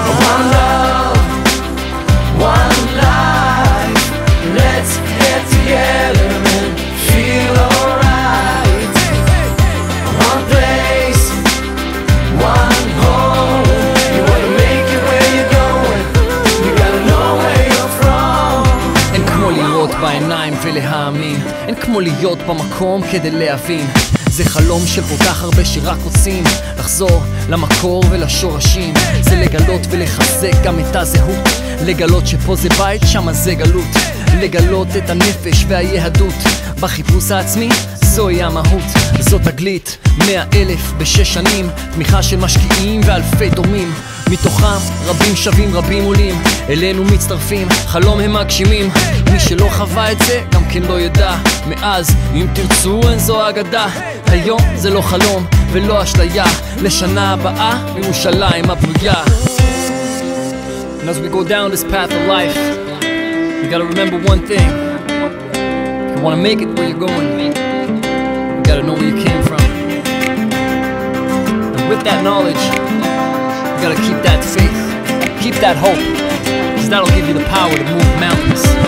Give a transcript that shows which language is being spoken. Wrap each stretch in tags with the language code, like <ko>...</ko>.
<en>One love, one life. Let's get together and feel alright. One place, one home. You wanna make it where you're going. You gotta know where you're from.</en> <he>And כמו להיות בעיניים ולהאמין, and כמו להיות במקום כדי להבין. זה חלום של כל כך הרבה שרק רוצים לחזור למקור ולשורשים. זה לגלות ולחזק גם את הזהות, לגלות שפה זה בית, שמה זה גלות, לגלות את הנפש והיהדות בחיפוש העצמי, זוהי המהות. זאת תגלית, 100,000 בשש שנים, תמיכה של משקיעים ואלפי תורמים, מתוכם רבים שווים רבים עולים, אלינו מצטרפים, חלום הם מגשימים. מי שלא חווה את זה גם כן לא ידע, מאז אם תרצו אין זו אגדה. היום זה לא חלום ולא אשליה, לשנה הבאה ירושלים הבנויה.</he> <en>And as we go down this path of life, you gotta remember one thing. If you wanna make it where you're going, you gotta know where you came from. And with that knowledge, you gotta keep that faith, keep that hope, because that'll give you the power to move mountains.</en>